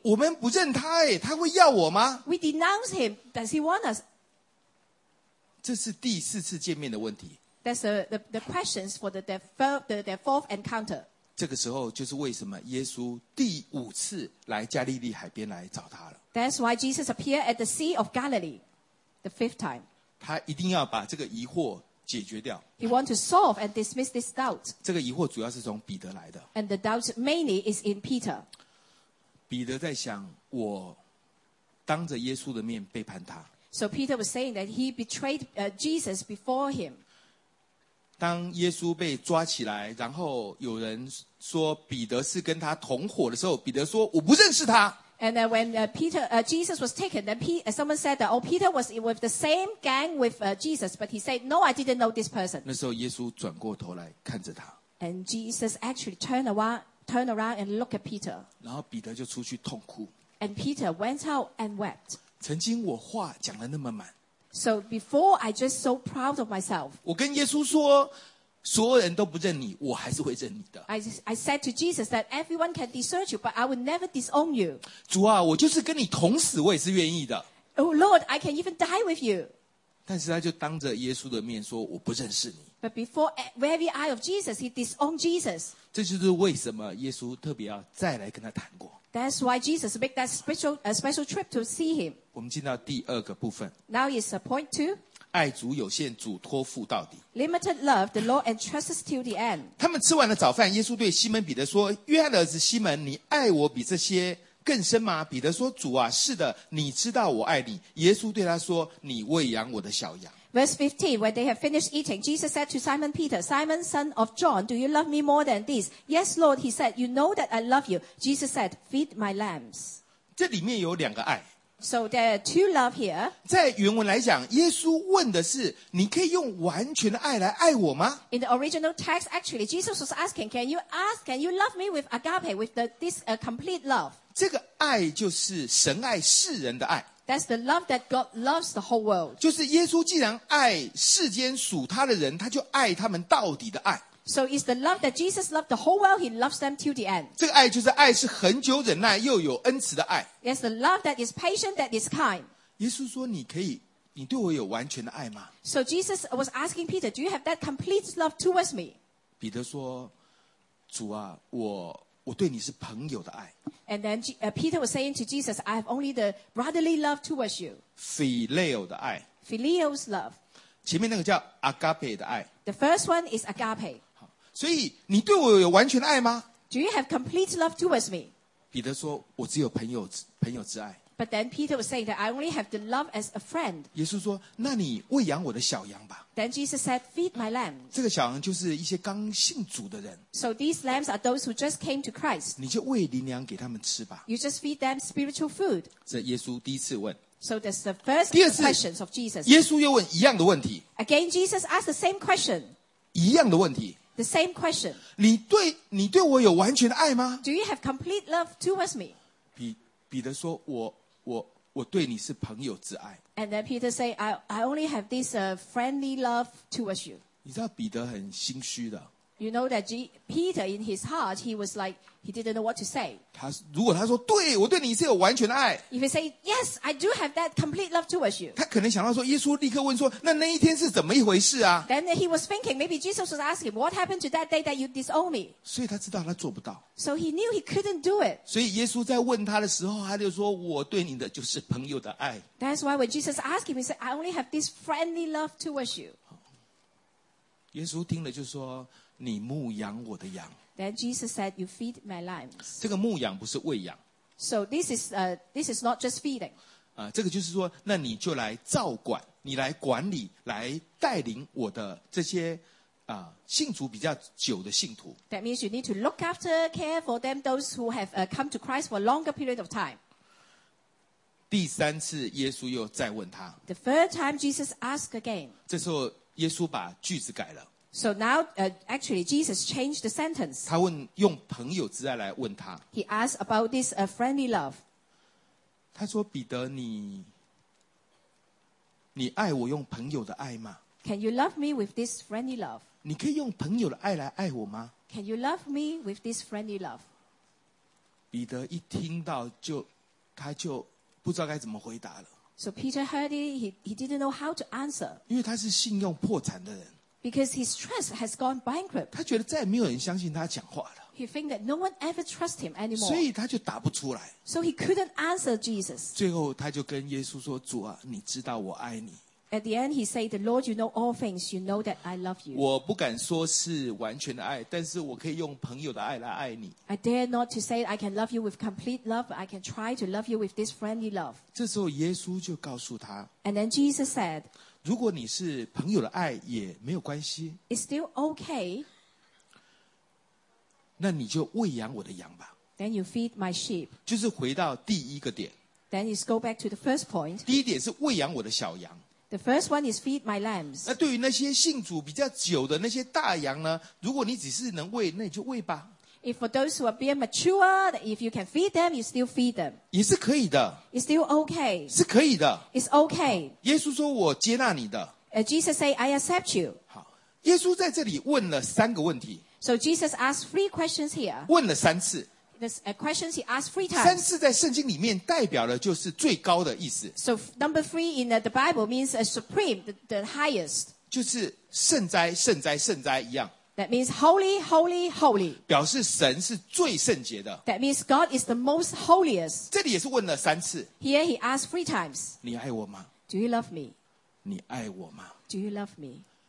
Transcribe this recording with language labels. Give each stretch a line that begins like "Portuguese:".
Chinese: 我们不认他耶，他会要我吗
English: ？We denounce him. Does he want us?
Chinese: 这是第四次见面的问题。
English: That's the questions for their fourth encounter.
Chinese: 这个时候就是为什么耶稣第五次来加利利海边来找他了。
English: That's why Jesus appeared at the Sea of Galilee, the fifth time.
Chinese: 他一定要把这个疑惑解决掉。
English: He wants to solve and dismiss this doubt.
Chinese: 这个疑惑主要是从彼得来的。
English: And the doubt mainly is in Peter.
Chinese: 彼得在想，我当着耶稣的面背叛他。
English: So Peter was saying that he betrayed Jesus before him.
Chinese: 当耶稣被抓起来然后有人说彼得是跟他同伙的时候彼得说我不认识他
English: And then when Jesus was taken then someone said that, Oh Peter was with the same gang with Jesus But he said no I didn't know this person
Chinese: 那时候耶稣转过头来看着他
English: And Jesus actually turned around and looked at Peter
Chinese: 然后彼得就出去痛哭
English: And Peter went out and wept
Chinese: 曾经我话讲得那么满
English: So before, I just so proud of myself.
Chinese: 我跟耶稣说，所有人都不认你，我还是会认你的。
English: I said to Jesus that everyone can desert you, but I will never disown you.
Chinese: 主啊，我就是跟你同死，我也是愿意的。
English: Oh Lord, I can even die with you.
Chinese: 但是他就当着耶稣的面说，我不认识你。
English: But before every eye of Jesus, he disowned Jesus.
Chinese: 这就是为什么耶稣特别要再来跟他谈过。
English: That's why Jesus made that special trip to see him.
Chinese: 我们进到第二个部分。
English: Now is point two.
Chinese: 爱主有限，主托付到底。
English: Limited love, the Lord entrusts till the end.
Chinese: 他们吃完了早饭，耶稣对西门彼得说：“约翰的儿子西门，你爱我比这些更深吗？” 彼得说：“主啊，是的，你知道我爱你。” 耶稣对他说：“你喂养我的小羊。”
English: Verse 15, when they have finished eating, Jesus said to Simon Peter, Simon, son of John, do you love me more than this? Yes, Lord, he said, you know that I love you. Jesus said, feed my lambs.
Chinese: 这里面有两个爱。
English: So there are two love here.
Chinese: 在原文来讲，耶稣问的是，你可以用完全的爱来爱我吗？
English: In the original text, actually, Jesus was asking, can you love me with agape, with this complete love?
Chinese: 这个爱就是神爱世人的爱。
English: That's the love that God loves the whole world.
Chinese: 就是耶稣既然爱世间属他的人，他就爱他们到底的爱。
English: So it's the love that Jesus loved the whole world. He loves them till the end.
Chinese: 这个爱就是爱，是恒久忍耐又有恩慈的爱。
English: It's the love that is patient, that is kind.
Chinese: 耶稣说：“你可以，你对我有完全的爱吗
English: ？”So Jesus was asking Peter, "Do you have that complete love towards me?"
Chinese: 彼得说：“主啊，我对你是朋友的爱。”
English: And then Peter was saying to Jesus, I have only the brotherly love towards you.
Chinese: Phileo 的爱。
English: Phileo's love.
Chinese: 前面那个叫 agape 的爱。
English: The first one is agape.
Chinese: 所以你对我有完全爱吗
English: ？Do you have complete love towards me?
Chinese: 彼得说，我只有朋友之爱。
English: But then Peter was saying that I only have the love as a friend.
Chinese: 耶稣说，那你喂养我的小羊吧。
English: Then Jesus said, feed my lamb.
Chinese: 这个小羊就是一些刚信主的人。
English: So these lambs are those who just came to Christ.
Chinese: 你就喂灵粮给他们吃吧。
English: You just feed them spiritual food.
Chinese: 这耶稣第一次问。
English: So that's the first questions of Jesus.
Chinese: 耶稣又问一样的问题。
English: Again, Jesus asked the same question.
Chinese: 一样的问题。
English: The same question.
Chinese: 你对我有完全的爱吗
English: ？Do you have complete love towards me?
Chinese: 彼得说，我对你是朋友之爱。
English: And then Peter say, I only have this friendly love towards you.
Chinese: 你知道彼得很心虚的。
English: You know that Peter, in his heart, he was like, he didn't know what to say.
Chinese: 他如果他说对我对你是有完全的爱
English: If he say, yes, I do have that complete love towards you.
Chinese: 他可能想到说耶稣立刻问说那那一天是怎么一回事啊
English: Then he was thinking, maybe Jesus was asking, what happened to that day that you disowned me?
Chinese: 所以他知道他做不到
English: So he knew he couldn't do it.
Chinese: 所以耶稣在问他的时候他就说我对你的就是朋友的爱
English: That's why when Jesus asked him, he said, I only have this friendly love towards you.
Chinese: 耶稣听了就说你牧养我的羊。
English: Then Jesus said, "You feed my lambs."
Chinese: 这个牧养不是喂养。
English: So this is not just feeding.
Chinese: 这个就是说，那你就来照管，你来管理，来带领我的这些信主比较久的信徒。
English: That means you need to look after, care for them, those who have come to Christ for a longer period of time.
Chinese: 第三次，耶稣又再问他。
English: The third time, Jesus asked again.
Chinese: 这时候，耶稣把句子改了。
English: So now, actually, Jesus changed the sentence.
Chinese: 他问用朋友之爱来问他。
English: He asked about this friendly love.
Chinese: 他说：“彼得，你爱我用朋友的爱吗
English: ？”Can you love me with this friendly love?
Chinese: 你可以用朋友的爱来爱我吗
English: ？Can you love me with this friendly love?
Chinese: 彼得一听到就，他就不知道该怎么回答了。
English: So Peter heard it. He didn't know how to answer.
Chinese: 因为他是信用破产的人。
English: Because his trust has gone bankrupt.
Chinese: 他觉得再也没有人相信他讲话了。
English: He think that no one ever trust him anymore.
Chinese: 所以他就答不出来。
English: So he couldn't answer Jesus.
Chinese: 最后他就跟耶稣说：“主啊，你知道我爱你。”
English: At the end, he said, "The Lord, you know all things. You know that I love you."
Chinese: 我不敢说是完全的爱，但是我可以用朋友的爱来爱你。
English: I dare not to say I can love you with complete love, but I can try to love you with this friendly love.
Chinese: 这时候耶稣就告诉他。
English: And then Jesus said.
Chinese: 如果你是朋友的爱也没有关系
English: It's still okay
Chinese: 那你就喂养我的羊吧
English: Then you feed my sheep
Chinese: 就是回到第一个点
English: Then you go back to the first point
Chinese: 第一点是喂养我的小羊
English: The first one is feed my lambs
Chinese: 那对于那些信主比较久的那些大羊呢如果你只是能喂那你就喂吧
English: If for those who are being mature if you can feed them you still feed them
Chinese: 也是可以的
English: It's still okay.
Chinese: 是可以的。
English: It's okay.
Chinese: 耶稣说我接纳你的。
English: Jesus say, I accept you.
Chinese: 好，耶稣在这里问了三个问题。
English: So Jesus asked three questions here.
Chinese: 问了三次。
English: There's questions he asked three times.
Chinese: 三次在圣经里面代表了就是最高的意思。
English: So number three in the Bible means a supreme, the highest.
Chinese: 就是圣哉圣哉圣哉一样。
English: That means holy, holy, holy.
Chinese: 表示神是最圣洁的。
English: That means God is the most holiest.
Chinese: 这里也是问了三次。
English: Here he asked three times.
Chinese: 你爱我吗
English: ？Do you love me?
Chinese: 你爱我吗
English: ？Do you love me?